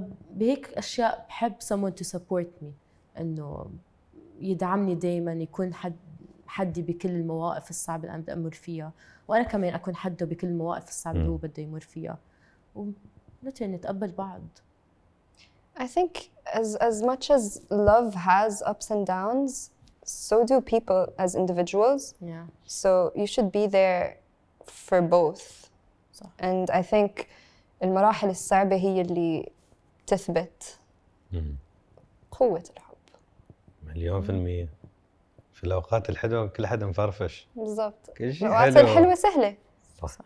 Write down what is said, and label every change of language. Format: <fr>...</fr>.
<ar>بهيك أشياء بحب</ar> <en>someone to support me</en> <ar>إنه يدعمني دائما يكون حدي بكل المواقف الصعبة اللي أنا بدي أمر فيها وأنا كمان أكون حده بكل المواقف الصعبة اللي هو بده يمر فيها ونتين نتقبل بعض</ar> <en>I think as much as love has ups and downs, so do people as individuals. Yeah. So you should be there for both. So. And I think</en> <ar>المراحل الصعبة هي اللي تثبت قوة الحب. مليون في المية. في الأوقات الحلوة كل حد مفرفش. بالضبط. كل شيء الأوقات الحلوة سهلة. صح.</ar>